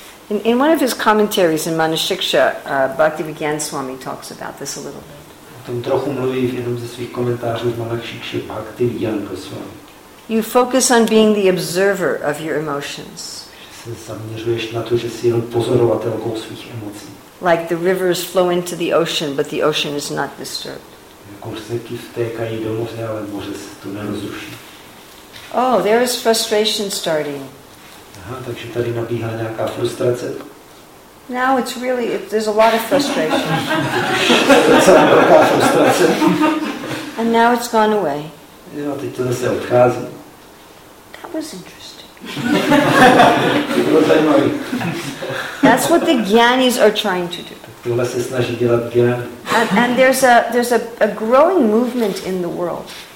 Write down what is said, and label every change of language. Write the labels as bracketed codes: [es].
[en] In one of his commentaries in Manushiksha, Bhaktivedanta Swami talks about this a little bit. [cs] Tom trochu mluví v jednom ze svých komentářů z Manushiksha Bhakti Vidyananda Swami. [en] You focus on being the observer of your emotions. [cs] Se zaměřuješ na to, že jsi jen pozorovatelkou svých emocí. [en] Like the rivers flow into the ocean, but the ocean is not disturbed. [cs] Jako řeky vtékají do moře, ale moře se tu nerozruší. [en] Oh, there is frustration starting. [cs] Aha, takže tady nabíhá nějaká frustrace. [en] Now it's really, there's a lot of frustration. And now it's gone away. That was interesting. That's what the gyanis are trying to do. And there's a growing movement in the world.